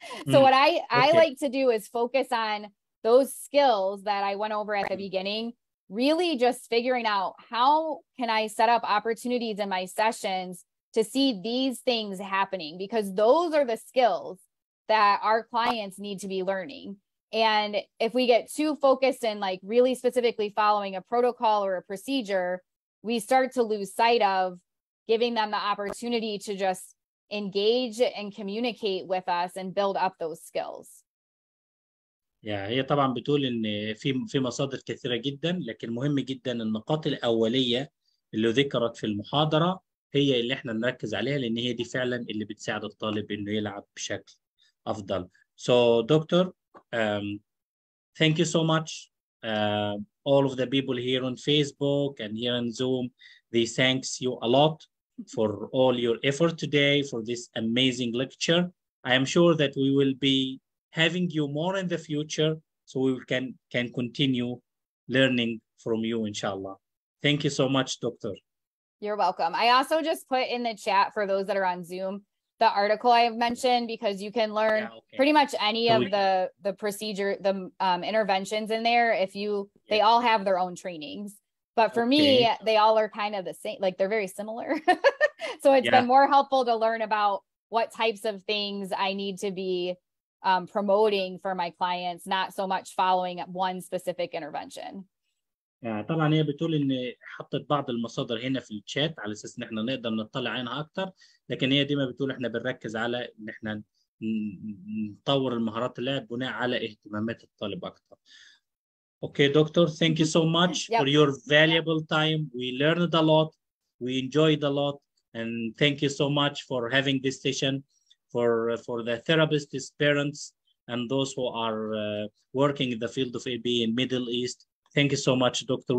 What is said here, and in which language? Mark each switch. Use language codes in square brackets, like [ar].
[en] So what I like to do is focus on those skills that I went over at the beginning, really just figuring out how can I set up opportunities in my sessions to see these things happening, because those are the skills that our clients need to be learning. And if we get too focused in like really specifically following a protocol or a procedure, we start to lose sight of giving them the opportunity to just engage and communicate with us and build up those skills. [ar] Yeah, هي طبعا بتقول ان في مصادر كثيره جدا، لكن مهم جدا النقاط الاوليه اللي ذكرت في المحاضره هي اللي احنا نركز عليها، لان هي دي فعلا اللي بتساعد الطالب انه يلعب بشكل افضل. [en] So doctor, thank you so much. All of the people here on Facebook and here on Zoom, they thanks you a lot for all your effort today for this amazing lecture. I am sure that we will be having you more in the future so we can continue learning from you, inshallah. Thank you so much, doctor. You're welcome. I also just put in the chat for those that are on Zoom the article I've mentioned, because you can learn pretty much any of the procedure, the interventions in there. If you, they all have their own trainings, but for me, they all are kind of the same, like they're very similar. So it's been more helpful to learn about what types of things I need to be promoting for my clients, not so much following one specific intervention. [ar] Yeah, طبعا هي بتقول ان حطت بعض المصادر هنا في الشات على اساس ان احنا نقدر نطلع عنها اكتر، لكن هي ديما بتقول احنا بنركز على ان احنا نطور المهارات اللعب بناء على اهتمامات الطالب اكتر. [en] Okay, doctor, thank you so much for your valuable time. We learned a lot, we enjoyed a lot, and thank you so much for having this session for the therapists, parents, and those who are working in the field of AB in Middle East. Thank you so much, doctor.